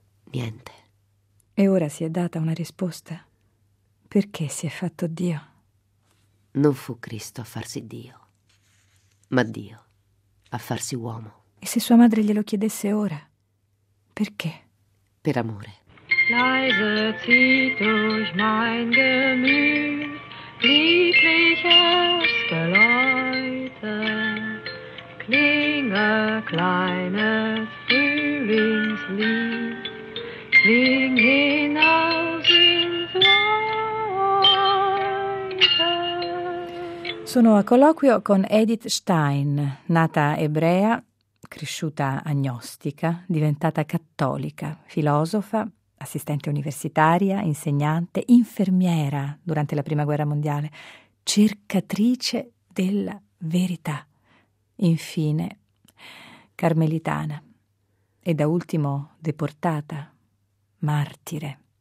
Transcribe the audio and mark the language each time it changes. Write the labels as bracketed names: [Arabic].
[Italian] Niente. E ora si è data una risposta? Perché si è fatto Dio? Non fu Cristo a farsi Dio, ma Dio a farsi uomo. E se sua madre glielo chiedesse ora, perché? Per amore. [German] Leise zieht durch mein Gemüt, liebliches Geläute, klinge kleines Frühlingslied, kling hinaus ins Weite. [Italian] Sono a colloquio con Edith Stein, nata ebrea, cresciuta agnostica, diventata cattolica, filosofa, assistente universitaria, insegnante, infermiera durante la Prima Guerra Mondiale, cercatrice della verità, infine carmelitana e da ultimo deportata, martire.